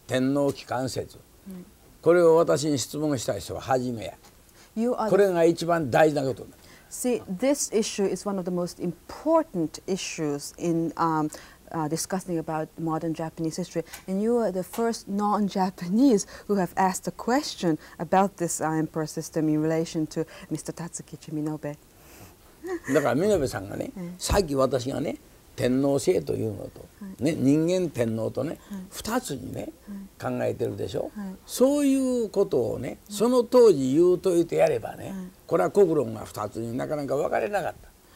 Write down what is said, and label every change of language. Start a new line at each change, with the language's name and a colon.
Japanese: 天皇機関説、はい、これを私に質問した人は初めや。
English: You are
Japanese: これが一番大事なことだ。
English: See, this issue is one of the most important issues in discussing about modern Japanese history. And you are the first non-Japanese who have asked a question about this emperor system in relation to Mr. Tatsukichi Minobe.
Japanese: だから、Minobeさんがね、さっき私がね、天皇制というのと、はいね、人間天皇とね、はい、2つにね、はい、考えてるでしょ、はい、そういうことをね、その当時言うといてやればね、はい、これは国論が2つになかなか分かれなかった。